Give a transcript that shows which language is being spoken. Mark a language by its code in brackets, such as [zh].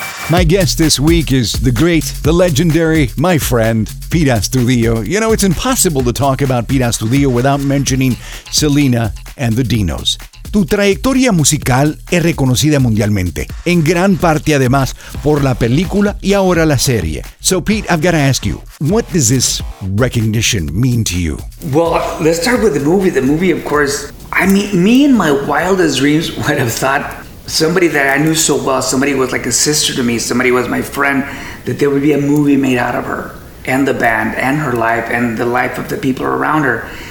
[en] My guest this week is the great, the legendary, my friend, Pete Astudillo. You know, it's impossible to talk about Pete Astudillo without mentioning Selena and the Dinos. [es] Tu trayectoria musical es reconocida mundialmente, en gran parte además por la película y ahora la serie. [en] So Pete, I've got to ask you, what does this recognition mean to you? Well, let's start with the movie. The movie, of course, I mean, me in my wildest dreams would have thought somebody that I knew so well, somebody who was like a sister to me, somebody who was my friend, that there would be a movie made out of her and the band and her life and the life of the people around her.